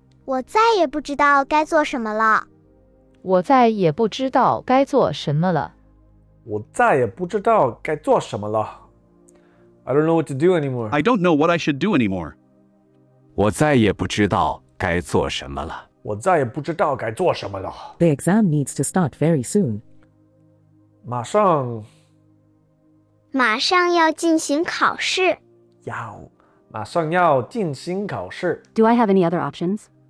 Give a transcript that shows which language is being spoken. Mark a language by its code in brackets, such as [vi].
[zh] 我再也不知道该做什么了。我再也不知道该做什么了。我再也不知道该做什么了。 [en] I don't know what to do anymore. I don't know what I should do anymore. [zh] 我再也不知道该做什么了。我再也不知道该做什么了。 [en] The exam needs to start very soon. [zh] 马上要进行考试。要，马上要进行考试。 [en] Do I have any other options?